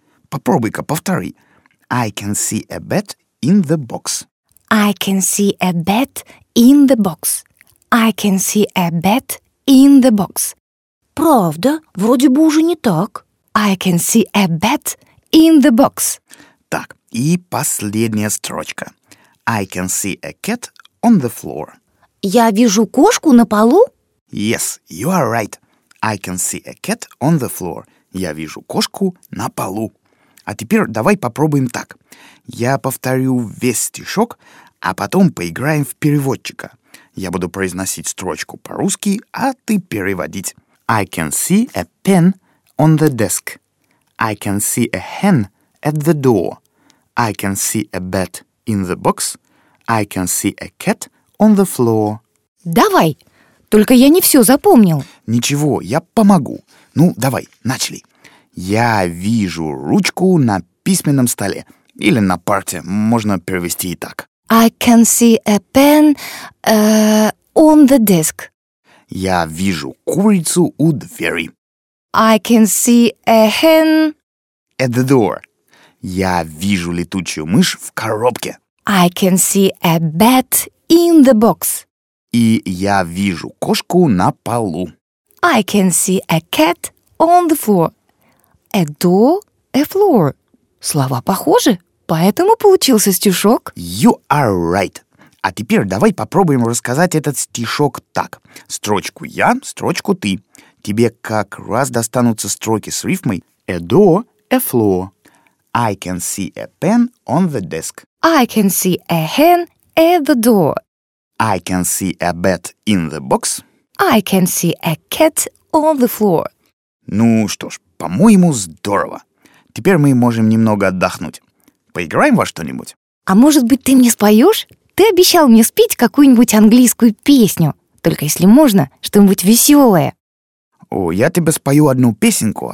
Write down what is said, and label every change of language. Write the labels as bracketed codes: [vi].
[ru] Попробуй-ка, повтори. [en] I can see a bat in the box. I can see a bat in the box. I can see a bat in the box. [ru] Правда? Вроде бы уже не так. [en] I can see a bat in the box. [ru] Так, и последняя строчка. [en] I can see a cat on the floor. [ru] Я вижу кошку на полу? [en] Yes, you are right. I can see a cat on the floor. [ru] Я вижу кошку на полу. А теперь давай попробуем так. Я повторю весь стишок, а потом поиграем в переводчика. Я буду произносить строчку по-русски, а ты переводить. [en] I can see a pen on the desk. I can see a hen at the door. I can see a bat in the box. I can see a cat on the floor. [ru] Давай! Только я не все запомнил. Ничего, я помогу. Ну, давай, начали. Я вижу ручку на письменном столе. Или на парте, можно перевести и так. [en] I can see a pen on the desk. [ru] Я вижу курицу у двери. [en] I can see a hen at the door. [ru] Я вижу летучую мышь в коробке. [en] I can see a bat in the box. [ru] И я вижу кошку на полу. [en] I can see a cat on the floor. A door, a floor. [ru] Слова похожи. Поэтому получился стишок. [en] You are right. [ru] А теперь давай попробуем рассказать этот стишок так. Строчку я, строчку ты. Тебе как раз достанутся строки с рифмой [en] a door, a floor. I can see a pen on the desk. I can see a hen at the door. I can see a bat in the box. I can see a cat on the floor. [ru] Ну что ж, по-моему, здорово. Теперь мы можем немного отдохнуть. Поиграем во что-нибудь? А может быть, ты мне споешь? Ты обещал мне спеть какую-нибудь английскую песню. Только если можно, что-нибудь веселое. О, я тебе спою одну песенку.